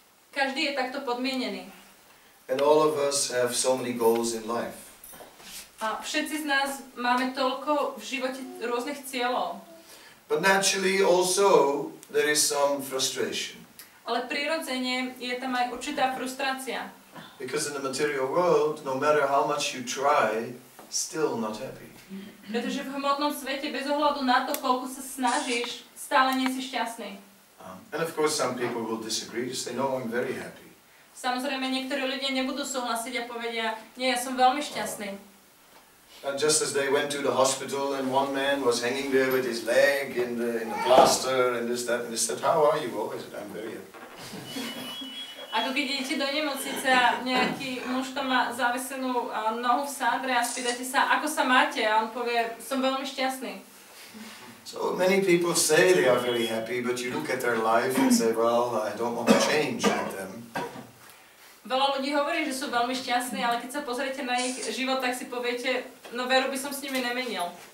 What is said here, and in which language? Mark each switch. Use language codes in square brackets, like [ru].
[sk] Každý je takto podmienený. [en] And all of us have so many goals in life. [sk] A všetci z nás máme toľko v živote rôznych cieľov. [en] But naturally also there is some frustration. [sk] Ale prirodzene je tam aj určitá frustrácia. [en] Because in the material world, no matter how much you try, still not happy. [sk] Pretože v hmotnom svete, bez ohľadu na to, koľko sa snažíš, stále nie si šťastný. [en] And of course some people will disagree, just they know I'm very happy. [sk] Samozrejme, niektorí ľudia nebudú súhlasiť a povedia, nie, ja som veľmi šťastný. [en] And just as they went to the hospital and one man was hanging there with his leg in the plaster and this, that, and they said, how are you? Oh, I said, I'm very happy. [sk] Ako keď idete do nemocnice a nejaký muž tam má zavesenú nohu v sádre a spýtate sa, ako sa máte? A on povie, som veľmi šťastný. [en] So many people say they are very happy, but you look at their life and say, well, I don't want to change like them. [sk] Veľa ľudí hovorí, že sú veľmi šťastní, ale keď sa pozriete na ich život, tak si poviete, no veru by som s nimi nemenil.